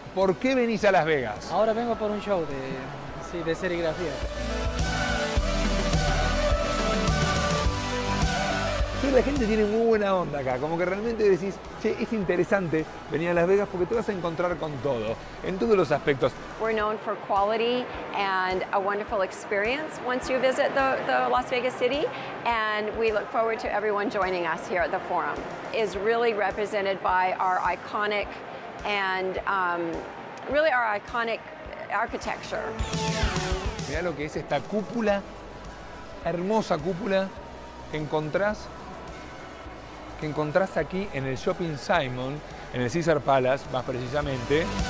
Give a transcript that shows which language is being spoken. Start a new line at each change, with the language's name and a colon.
Spanish: ¿Por qué venís a Las Vegas? Ahora vengo por un show de, sí, de serigrafía. Sí, la gente tiene muy buena onda acá, como que realmente decís, che, es interesante venir a Las Vegas porque te vas a encontrar con todo, en todos los aspectos.
English: We're known for quality and a wonderful experience once you visit the Las Vegas city, and we look forward to everyone joining us here at the Forum. It's really represented by our iconic and really our iconic architecture.
Spanish: Mirá lo que es esta cúpula, hermosa cúpula, que encontrás aquí en el Shopping Simon, en el Caesar Palace, más precisamente.